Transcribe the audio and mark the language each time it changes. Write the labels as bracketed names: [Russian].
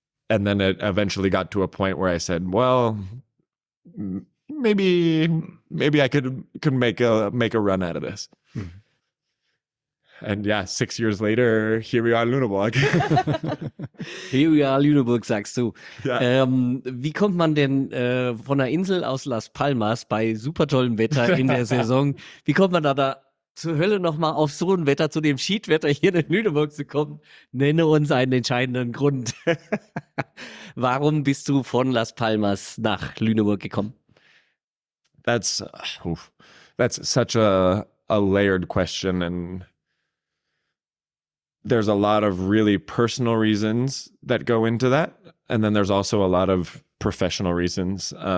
[English] And then it eventually got to a point where I said, well, maybe I could make a run out of this. And yeah, 6 years later, here we are in Lüneburg. Here we are in Lüneburg, [German] sagst du. [English] Yeah. [German] Wie kommt man denn von der Insel aus Las Palmas bei super tollem Wetter in der Saison, wie kommt man da zur Hölle nochmal auf so ein Wetter, zu dem Schiedwetter hier in Lüneburg zu kommen, nenne uns einen entscheidenden Grund. Warum bist du von Las Palmas nach Lüneburg gekommen? [English] That's such a layered question. And there's a lot of really personal reasons that go into that. And then there's also a lot of professional reasons.